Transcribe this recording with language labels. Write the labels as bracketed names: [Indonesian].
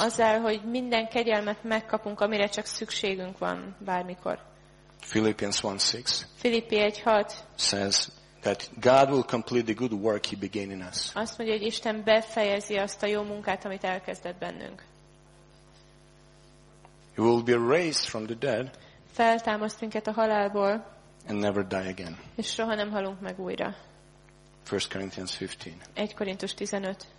[Hungarian] Azzal, hogy minden kegyelmet megkapunk, amire csak szükségünk van bármikor. [English] Philippians 1:6. [Hungarian] Filippi 1:6. [English] Says that God will complete the good work he began in us. [Hungarian] Azt mondja, hogy Isten befejezi azt a jó munkát, amit elkezdett bennünk. [English] He will be raised from the dead. [Hungarian] Feltámaszt minket a halálból. [English] And never die again. [Hungarian] És soha nem halunk meg újra. [English] 1 Corinthians 15. [Hungarian] 1 Korintus 15.